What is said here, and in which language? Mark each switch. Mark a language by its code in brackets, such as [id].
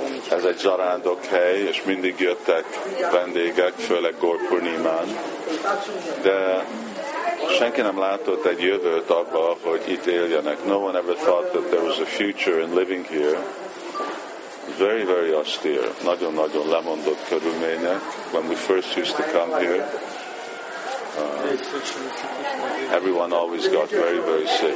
[hu] Ez egy zarándok hely, és mindig jöttek vendégek, főleg Gorpurnimán. De senki nem látott egy jövőt abba, hogy itt éljenek. [en] No one ever thought that there was a future in living here. Very, very austere. [hu] Nagyon-nagyon lemondott körülmények. [en] When we first used to come here, died. Everyone always got very, very sick.